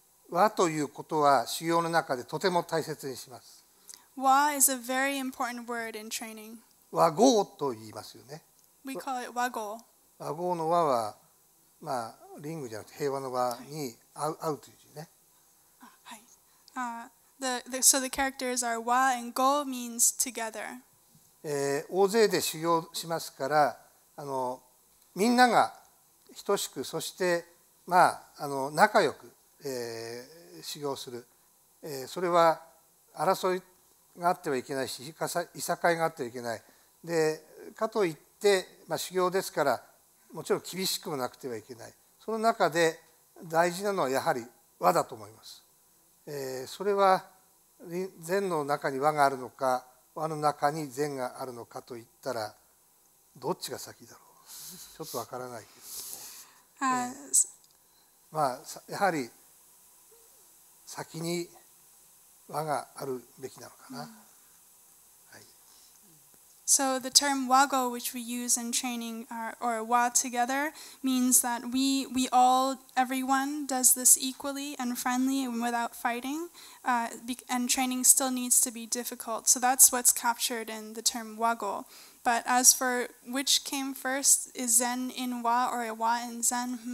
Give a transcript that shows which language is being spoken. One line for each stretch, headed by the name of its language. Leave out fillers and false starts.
Japanese: 和ということは修行の中でとても大切にします。
English: 和 is a very important word in training.
Japanese: 和合と言いますよね。
English: We call it 和合。
Japanese: 和合の和は、まあ、リングじゃなくて平和の和に合うという字ね。はい。
English: So the characters are 和 and 合 means together.
Japanese: 大勢で修行しますから、みんなが等しく、そして、まあ、仲良く、修行する、それは争いがあってはいけないし、いさかいがあってはいけない。で、かといって、まあ、修行ですから、もちろん厳しくもなくてはいけない。その中で大事なのはやはり和だと思います。それは禅の中に和があるのか、和の中に禅があるのかといったら、どっちが先だろう。ちょっとわからないけど。まあ、やはり先に和があるべきなのかな。はい。
English: So the term wago, which we use in training, or wa together, means that we all, everyone does this equally and friendly and without fighting, and training still needs to be difficult. So that's what's captured in the term wago. But as for which came first, is Zen in Wa or Wa in Zen?